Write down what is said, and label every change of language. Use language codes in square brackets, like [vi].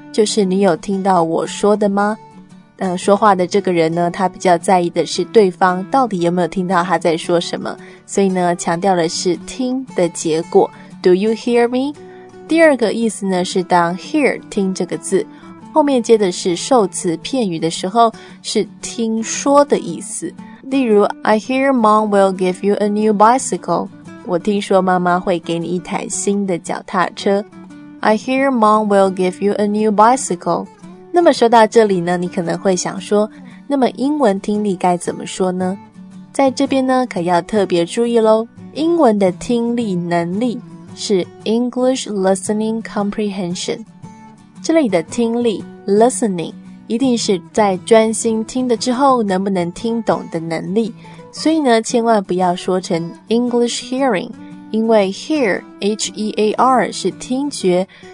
[zh] 就是你有听到我说的吗？说话的这个人呢，他比较在意的是对方到底有没有听到他在说什么，所以呢，强调的是听的结果。 [en] Do you hear me? [zh] 第二个意思呢，是当 hear 听这个字，后面接的是受词片语的时候，是听说的意思。 [en] 例如 I hear mom will give you a new bicycle. [zh] 我听说妈妈会给你一台新的脚踏车。 [en] I hear mom will give you a new bicycle. [zh] 那么说到这里呢，你可能会想说，那么英文听力该怎么说呢？在这边呢，可要特别注意咯，英文的听力能力是 English Listening Comprehension。这里的听力 Listening 一定是在专心听的之后能不能听懂的能力，所以呢，千万不要说成 English Hearing， 因为 Hear H-E-A-R 是听觉，